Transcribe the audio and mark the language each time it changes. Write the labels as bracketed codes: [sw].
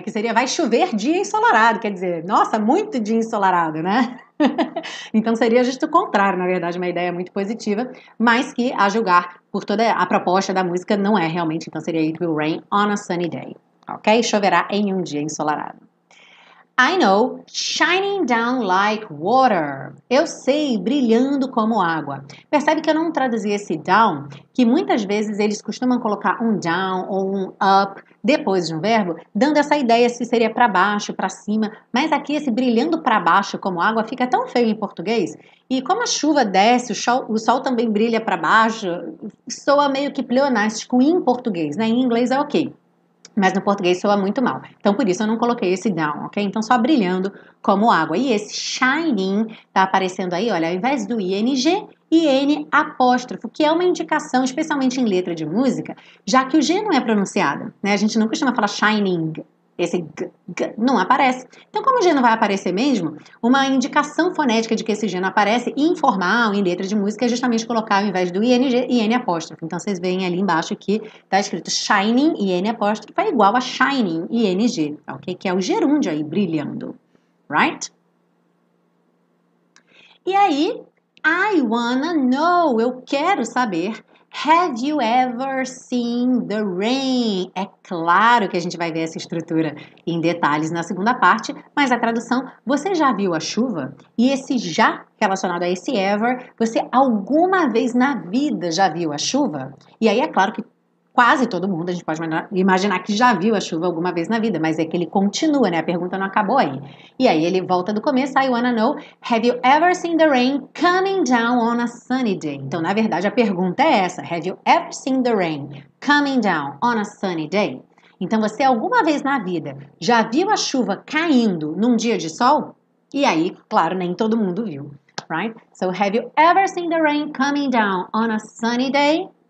[pt] Que seria vai chover dia ensolarado, quer dizer, nossa, muito dia ensolarado, né? Então seria justo o contrário, na verdade, uma ideia muito positiva, mas que a julgar por toda a proposta da música não é realmente. Então seria [en] it will rain on a sunny day, [pt] ok? Choverá em um dia ensolarado. [en] I know, shining down like water. [pt] Eu sei, brilhando como água. Percebe que eu não traduzi esse down, que muitas vezes eles costumam colocar um down ou um up depois de um verbo, dando essa ideia se seria para baixo, para cima. Mas aqui esse brilhando para baixo como água fica tão feio em português. E como a chuva desce, o sol também brilha para baixo, soa meio que pleonástico em português, né? Em inglês é ok. Mas no português soa muito mal. Então, por isso, eu não coloquei esse down, ok? Então, só brilhando como água. E esse shining tá aparecendo aí, olha, ao invés do ing, in apóstrofo, que é uma indicação, especialmente em letra de música, já que o g não é pronunciado, né? A gente não costuma falar shining, esse g, g não aparece. Então, como o g não vai aparecer mesmo, uma indicação fonética de que esse g não aparece informal em letra de música é justamente colocar ao invés do ing, in apóstrofo. Então, vocês veem ali embaixo que está escrito shining, in apóstrofo, é igual a shining, ing, ok? Que é o gerúndio aí, brilhando, right? E aí, [en] I wanna know, [pt] eu quero saber, [en] have you ever seen the rain? [pt] É claro que a gente vai ver essa estrutura em detalhes na segunda parte, mas a tradução, você já viu a chuva? E esse já relacionado a esse ever, você alguma vez na vida já viu a chuva? E aí é claro que quase todo mundo, a gente pode imaginar que já viu a chuva alguma vez na vida, mas é que ele continua, né? A pergunta não acabou aí. E aí ele volta do começo, [en] I wanna know, have you ever seen the rain coming down on a sunny day? [pt] Então, na verdade, a pergunta é essa, [en] have you ever seen the rain coming down on a sunny day? [pt] Então, você alguma vez na vida já viu a chuva caindo num dia de sol? E aí, claro, nem todo mundo viu, right? [en] So, have you ever seen the rain coming down on a sunny day?